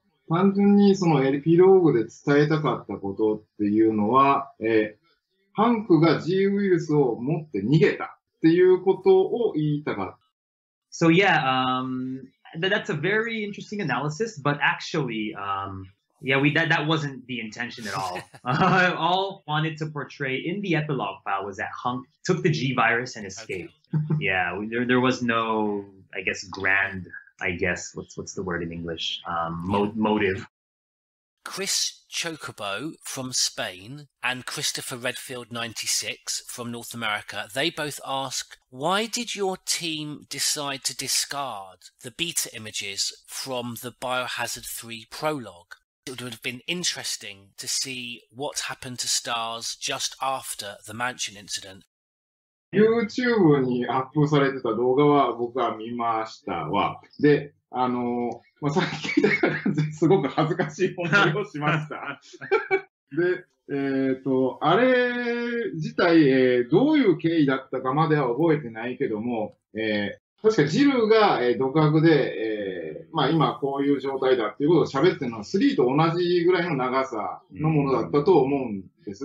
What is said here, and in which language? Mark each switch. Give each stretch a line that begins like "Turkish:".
Japanese: 単純にそのエピローグで伝えたかったことっていうのは、ハンクが G ウイルスを持って逃げたっていうことを言いたかった。
English: So yeah, that's a very interesting analysis, but actually, that wasn't the intention at all. I all wanted to portray in the epilogue file was that Hunk took the G virus and escaped. Okay. Yeah, there was no, I guess, grand, I guess, what's the word in English? Motive. Chris Chocobo from Spain and Christopher Redfield 96 from North America, they both ask, why did your team decide to discard the beta images from the Biohazard 3 prologue? It would have been interesting to see what happened to Stars just after the Mansion incident.
Japanese: YouTube にアップされてた動画は僕は見ましたわ。で、まあ、さっき言ったからすごく恥ずかしい思いをしました。で、あれ自体、どういう経緯だったかまでは覚えてないけども、確かジルが、独白で、まあ今こういう状態だっていうことを喋ってるのは3と同じぐらいの長さのものだったと思うんです。